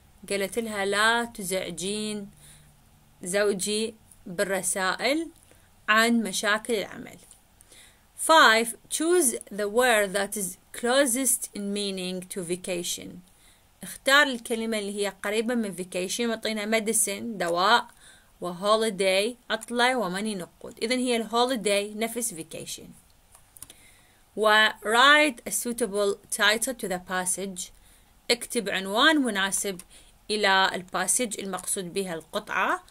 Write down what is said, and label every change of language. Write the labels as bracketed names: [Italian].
[Arabic] قالت لها لا تزعجين زوجي بالرسائل عن مشاكل العمل. 5. [English] Choose the word that is closest in meaning to vacation. [Arabic] اختار الكلمة اللي هي قريبة من vacation, وعطينا medicine دواء وholiday عطلة وmoney نقود. إذن هي الholiday نفس vacation. و [English] write a suitable title to the passage, [Arabic] اكتب عنوان مناسب إلى الباسج المقصود بها القطعة.